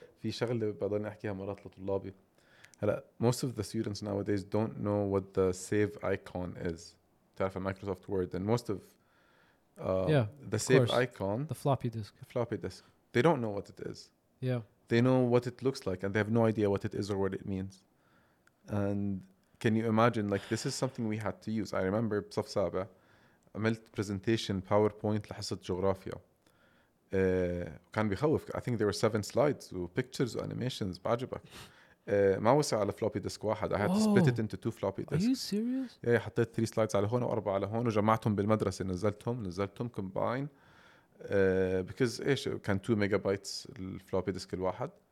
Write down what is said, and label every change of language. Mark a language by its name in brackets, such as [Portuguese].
[Arabic] في شغلة بدنا نحكيها مرات لطلابي. هلا [English] most of the students nowadays don't know what the save icon is. [Arabic] تعرف [English] Microsoft Word and most of the save icon. The floppy disk. The floppy disk. They don't know what it is. Yeah. They know what it looks like and they have no idea what it is or what it means. And can you imagine, like, this is something we had to use. I remember [Arabic] بصف سابع عملت [English] presentation PowerPoint [Arabic] لحصة جغرافيا. كان بيخوف. [English] I think there were 7 slides with pictures and animations. [Arabic] بعجبك. ما وسع على فلوبي ديسك واحد. [English] I had to split it into 2 floppy disks. Are you serious? Yeah, [Arabic] حطيت 3 slides على هون وأربعة على هون وجمعتهم بالمدرسة. نزلتهم combine. [English] Because [Arabic] إيش كان 2 megabytes الفلوبي ديسك الواحد.